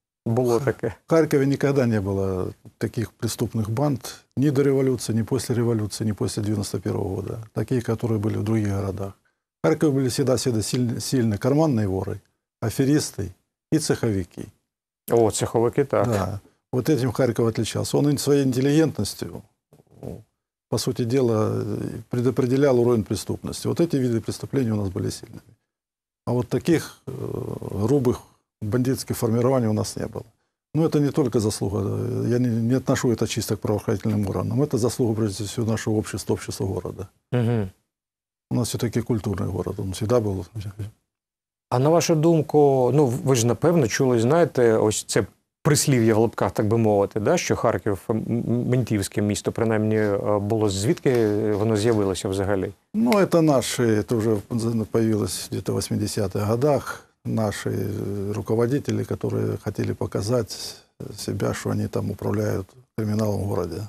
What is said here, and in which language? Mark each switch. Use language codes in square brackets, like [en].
[uk] Було таке. В Харкові ніколи не було таких преступних банд ні до революції, ні після 91-го року. Такі, які були в інших містах. В Харкові були завжди сильні карманні вори, аферисти і цеховики. О, цеховики, так. [ru] Да. Вот этим Харьков отличался. Он своей интеллигентностью, по сути дела, предопределял уровень преступности. Вот эти виды преступлений у нас были сильными. А вот таких грубых бандитских формирований у нас не было. Ну, это не только заслуга. Я не отношу это чисто к правоохранительным органам. Это заслуга, прежде всего, нашего общества, общества города. Угу. У нас все-таки культурный город. Он всегда был... [uk] А на вашу думку, ну, ви ж, напевно, чули, знаєте, ось це... прислів'я в лапках, так би мовити, да? Що Харків – ментівське місто, принаймні, було. Звідки воно з'явилося взагалі? Ну, це наші, це вже з'явилось десь у 80-х годах, наші руководителі, які хотіли показати себе, що вони там управляють криміналом в місті.